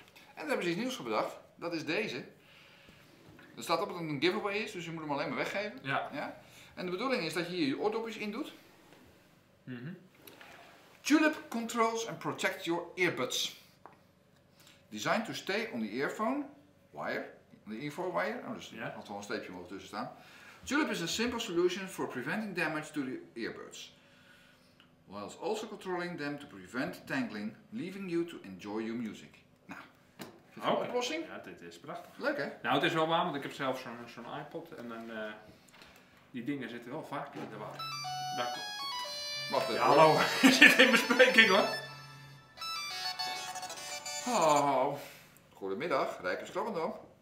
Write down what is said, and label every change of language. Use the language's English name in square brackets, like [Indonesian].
[Dutch] En dan hebben ze iets nieuws gebedacht. Dat is deze. Er staat op dat het een giveaway is, dus je moet hem alleen maar weggeven. Ja. Ja? En de bedoeling is dat je hier je oordopjes in doet. Mm-hmm. [English] Tulip controls and protect your earbuds. Designed to stay on the earphone. Wire, [Dutch] de [English] earphone wire, oh, [Dutch] dus [English] yeah. [Dutch] Had wel een steepje mogen tussen staan. [English] Tulip is a simple solution for preventing damage to the earbuds, whilst also controlling them to prevent tangling, leaving you to enjoy your music. [Dutch] Nou, vind je een oplossing? Ja, dit is prachtig. Leuk hè? Nou, het is wel waar, want ik heb zelf zo'n iPod en dan, die dingen zitten wel vaak in de war. Daar komt. Wacht even. Ja, hallo, je zit in bespreking hoor. Oh. Goedemiddag, Rijker Stroomendam.